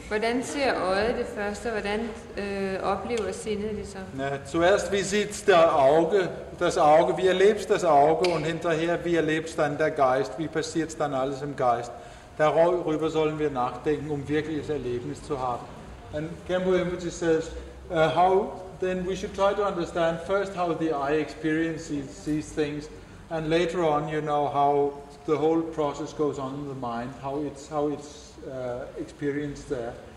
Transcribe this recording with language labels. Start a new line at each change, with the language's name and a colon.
Danish: Hvordan ser øjet det første? Hvordan oplever sindet det så?
German: Ja, zuerst wie sieht's der Auge, das Auge, wie erlebst das Auge und hinterher wie erlebst dann der Geist, wie passiert's dann alles im Geist? Darüber sollen wir nachdenken, um wirkliches Erlebnis zu haben.
English: And Kenpo Rinpoche says, how then we should try to understand first how the eye experiences these things, and later on, you know, how the whole process goes on in the mind, how it's experienced there.